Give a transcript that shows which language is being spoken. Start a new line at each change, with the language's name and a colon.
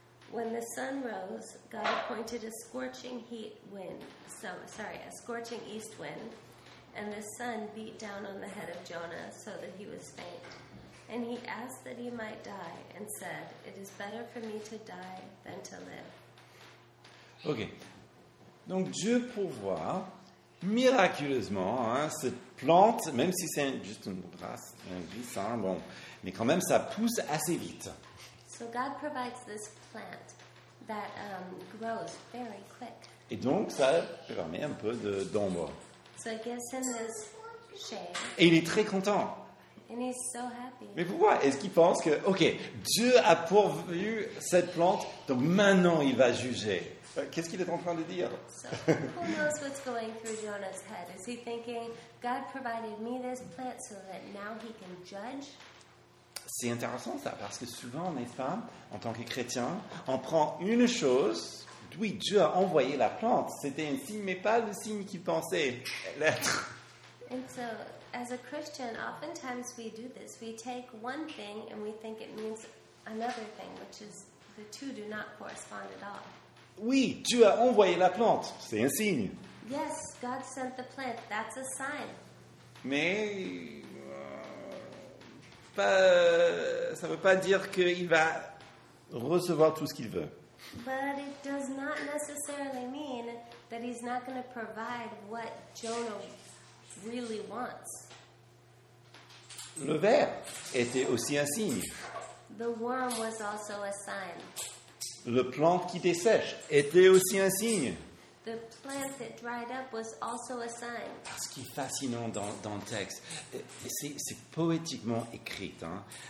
English: When the sun rose, God appointed a scorching heat wind, a scorching east wind, and the sun beat down on the head of Jonah so that he was faint. And he asked that he might die and said, "It is better for me to die than to live." Ok.
French: Donc Dieu pourvoit miraculeusement cette plante, même si c'est juste une brasse, un glissant, bon, mais quand même ça pousse assez vite.
English: So God provides this plant that grows very quick.
French: Et donc ça permet un peu d'ombre.
English: So it gives him this shade.
French: Et il est très content.
English: And he's so happy.
French: Mais pourquoi? Est-ce qu'il pense que, ok, Dieu a pourvu cette plante, donc maintenant il va juger? Qu'est-ce qu'il est en train de dire?
English: So, who knows what's going through Jonah's head? Is he thinking, God provided me this plant so that now he can judge?
French: C'est intéressant ça, parce que souvent, n'est-ce pas, en tant que chrétien, on prend une chose, oui, Dieu a envoyé la plante, c'était un signe, mais pas le signe qu'il pensait l'être.
English: And so, as a Christian, oftentimes we do this. We take one thing and we think it means another thing, which is the two do not correspond at all.
French: Oui, Dieu a envoyé la plante. C'est un signe.
English: Yes, God sent the plant. That's a sign.
French: Mais ça ne veut pas dire qu'il va recevoir tout ce qu'il veut.
English: But it does not necessarily mean that he's not going to provide what Jonah really wants.
French: Le ver était aussi un signe.
English: The worm was also a sign.
French: Le plant qui dessèche était aussi un signe.
English: The plant that dried up was also a sign.
French: Ce qui est fascinant dans le texte, c'est poétiquement écrit. Hein.